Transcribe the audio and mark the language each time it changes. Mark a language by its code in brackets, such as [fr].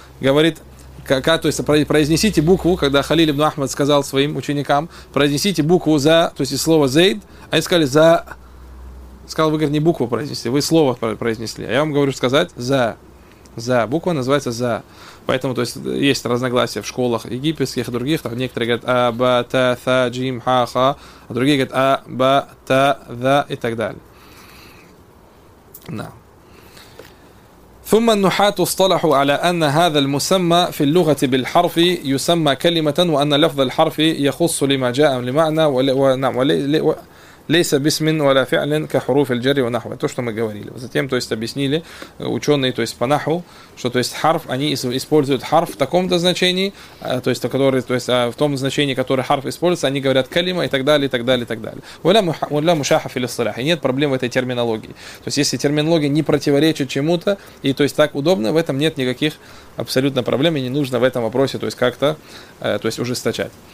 [ru] Говорит, то есть произнесите букву, когда Халиль ибн Ахмад сказал своим ученикам, произнесите букву за, то есть из слова зейд, они сказали за, сказал, вы, говорит, не букву произнесли, вы слово произнесли. А я вам говорю сказать за, за, буква называется за. Поэтому, то есть, есть разногласия в школах египетских и других. Там некоторые говорят а, ба, та, та, джим, ха, ха. А другие говорят а, ба, та, да и так далее. Да. [ar] ثم النحاة اصطلحوا على أن هذا المسمى في اللغة بالحرف يسمى كلمة وأن لفظ الحرف يخص لما جاء لمعنى ونعم ليس باسم ولا فعل كحروف الجر ونحوه. [ru] То, что мы говорили. Затем, то есть, объяснили ученые, то есть, по наху, что, то есть, حرف, они используют حرف в таком-то значении, то есть, который, то есть, в том значении, который حرف используется, они говорят كلمه и так далее, и так далее, и так далее. [ar] ولا مشاحة في الاصطلاح. [ru] И нет проблем в этой терминологии. То есть, если терминология не противоречит чему-то, и, то есть, так удобно, в этом нет никаких абсолютно проблем, и не нужно в этом вопросе, то есть, как-то, то есть, ужесточать.